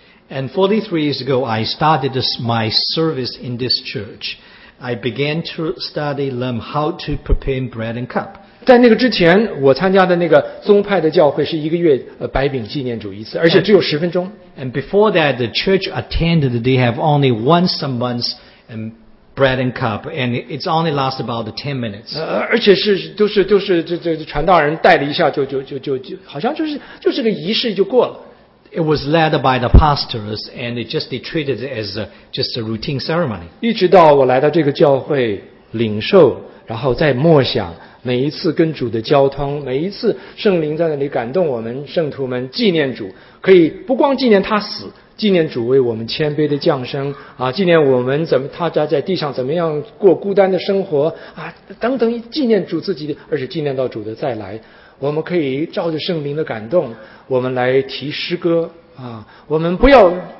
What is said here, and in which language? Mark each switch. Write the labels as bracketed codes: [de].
[en] And 43 years ago, I started my service in this church. I began to study learn how to prepare bread and cup. [zh] 在那个之前我参加的那个宗派的教会是一个月白饼纪念主一次而且只有十分钟。 [en] And before that, the church attended, they have only once a month and bread and cup, and it's only last about 10 minutes. [zh] 而且是都是这传道人带了一下就好像就是个仪式就过了。 [en] It was led by the pastors, and they treated it as just a routine ceremony. [zh] 一直到我来到这个教会领受然后再默想每一次跟主的交通，每一次圣灵在那里感动我们圣徒们纪念主，可以不光纪念他死，纪念主为我们谦卑的降生啊，纪念我们怎么他家在地上怎么样过孤单的生活啊，等等，纪念主自己，而且纪念到主的再来，我们可以照着圣灵的感动，我们来提诗歌啊，我们不要